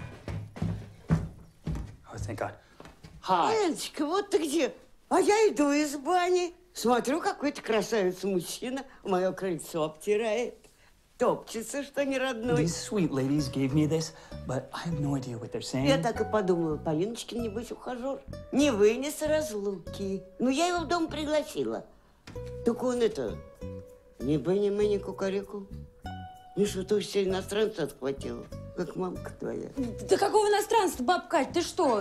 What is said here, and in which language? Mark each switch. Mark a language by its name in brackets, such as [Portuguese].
[English] О, oh, thank God. [Russian] Hi. Леночка, вот ты где? А я иду из бани. Смотрю, какой-то красавец-мужчина мое крыльцо обтирает. Топчется, что не родной. [English] These sweet ladies gave me this, but I have no idea what they're saying. [Russian] Я так и подумала, Полиночке небось ухажер. Не вынес разлуки. Ну, я его в дом пригласила. Только он это, не быни-мыни кукареку. Ну, что-то все иностранца отхватило, как мамка твоя. Да какого иностранца, баб Кать, ты что?